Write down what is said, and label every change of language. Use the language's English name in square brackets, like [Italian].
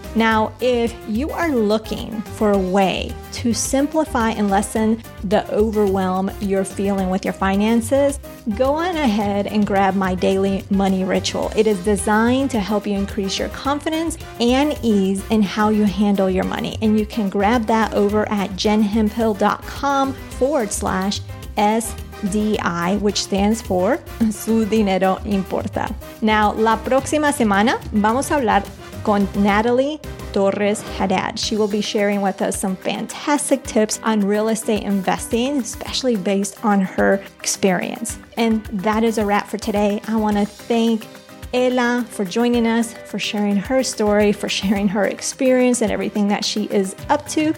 [English] Now, if you are looking for a way to simplify and lessen the overwhelm you're feeling with your finances, go on ahead and grab my daily money ritual. It is designed to help you increase your confidence and ease in how you handle your money. And you can grab that over at jenhemphill.com/SDI, which stands for Su Dinero Importa. [Spanish] Now, la próxima semana vamos a hablar con Natalie Torres Haddad. [English] She will be sharing with us some fantastic tips on real estate investing, especially based on her experience. And that is a wrap for today. I want to thank Ella for joining us, for sharing her story, for sharing her experience and everything that she is up to.